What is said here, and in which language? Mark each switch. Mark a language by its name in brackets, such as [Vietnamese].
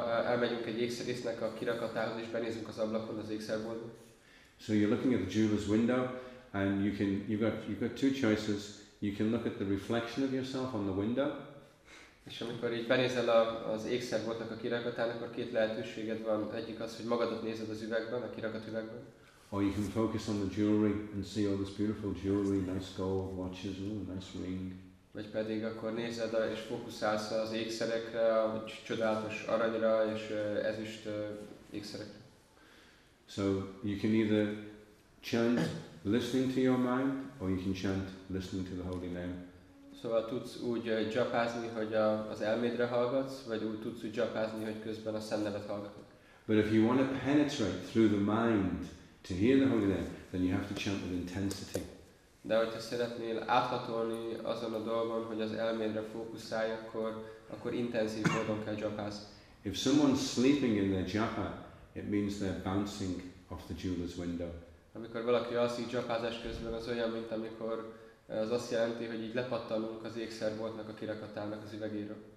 [Hungarian] Elmegyünk egy ékszerésznek a kirakatához és benézünk az ablakon az ékszerboltba. [English] So you're looking at the jeweler's window, and you've got two choices. You can look at the reflection of yourself on the window. [Hungarian] És amikor így benézel az ékszerboltnak a kirakatán, akkor két lehetőséged van. Egyik az, hogy magadat nézed az üvegben, a kirakatüvegben. [English] Or you can focus on the jewelry and see all this beautiful jewelry, nice gold watches, ooh, nice ring. [Hungarian] Vagy pedig akkor nézed és fókuszálsz az ékszerekre, vagy csodálatos aranyra és ezüst ékszerekre. [English] So you can either chant listening to your mind, or you can chant listening to the holy name. [Hungarian] Szóval tudsz úgy japázni, hogy az elmédre hallgatsz, vagy úgy tudsz úgy japázni, hogy közben a szent nevet hallgatod. [English] But if you want to penetrate through the mind to hear the holy name, then you have to chant with intensity. [Hungarian] De hogyha szeretnél áthatolni azon a dolgon, hogy az elmédre fókuszálj, akkor intenzív módon kell japázni. [English] If someone's sleeping in their japa, it means they're bouncing off the jeweler's window. [Hungarian] Amikor valaki alszik japázás közben, az olyan, mint amikor az azt jelenti, hogy így lepattanunk az ékszerboltnak a kirakatának az üvegéről.